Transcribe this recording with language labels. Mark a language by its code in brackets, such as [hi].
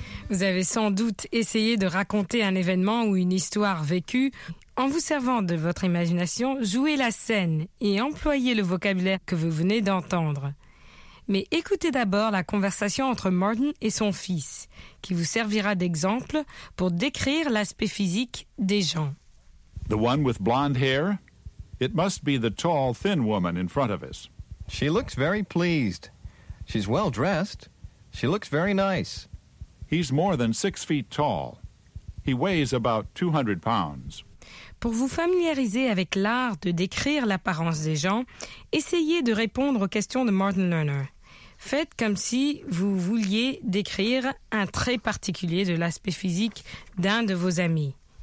[fr] Vous avez sans doute essayé de raconter un événement ou une histoire vécue. En vous servant de votre imagination, jouez la scène et employez le vocabulaire que vous venez d'entendre. Mais écoutez d'abord la conversation entre Martin et son fils, qui vous servira d'exemple pour décrire l'aspect physique des gens. [en] The one with blonde hair? It must be the tall, thin woman in front of us. She looks very pleased. She's well dressed. She looks very nice. He's more than 6 feet tall. He weighs about 200 pounds. [fr] Pour vous familiariser avec l'art de décrire l'apparence des gens, essayez de répondre aux questions de Martin Lerner. Faites comme si vous vouliez décrire un trait particulier de l'aspect physique d'un de vos amis.